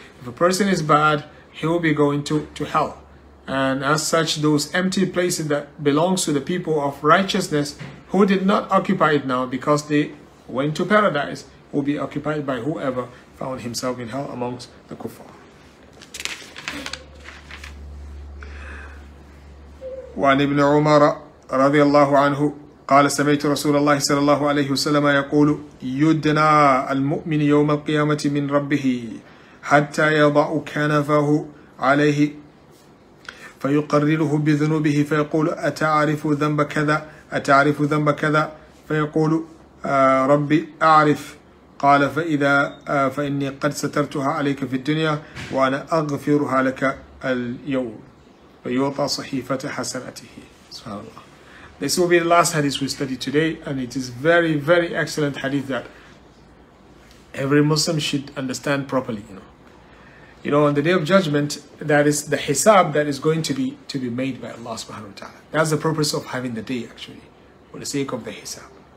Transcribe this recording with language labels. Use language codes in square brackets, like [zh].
[en] If a person is bad, he will be going to hell. And as such, those empty places that belongs to the people of righteousness who did not occupy it now because they went to paradise will be occupied by whoever found himself in hell amongst the kuffar. [ar] وعن ابن عمر رضي الله عنه قال سمعت رسول الله صلى الله عليه وسلم يقول يدنى المؤمن يوم القيامة من ربه حتى يضع كنفه عليه فيقرره بذنوبه فيقول أتعرف ذنب كذا أتعرف ذنب كذا فيقول ربي أعرف قال فإذا فإني قد سترتها عليك في الدنيا وأنا أغفرها لك اليوم فيوطى صحيفة حسنته. سبحان الله. [en] This will be the last hadith we study today, and it is very, very excellent hadith that every Muslim should understand properly. You know, on the day of judgment, that is the hisab that is going to be made by Allah subhanahu wa ta'ala. That's the purpose of having the day, actually, for the sake of the hisab.